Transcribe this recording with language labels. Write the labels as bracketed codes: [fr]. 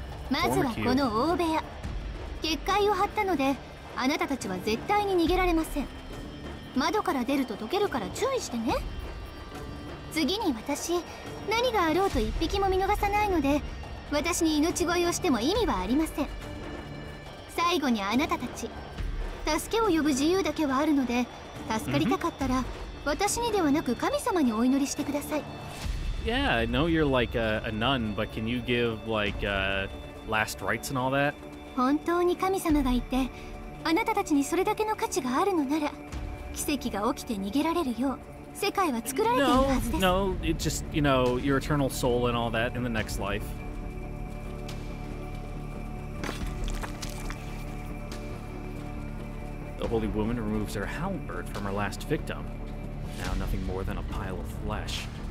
[ja] まずはこの大部屋。結界を張ったので、あなたたちは絶対に逃げられません。窓から出ると溶けるから注意してね。次に私、何があろうと一匹も見逃さないので、 [en] Yeah, I know you're like a nun, but can you give like last rites and all that? [ja] 本当に神様がいて、あなたたちにそれだけの価値があるのなら、奇跡が起きて逃げられるよう、世界は作られているはずです。 [en] No, it just, you know, your eternal soul and all that in the next life. The holy woman removes her halberd from her last victim. Now nothing more than a pile of flesh.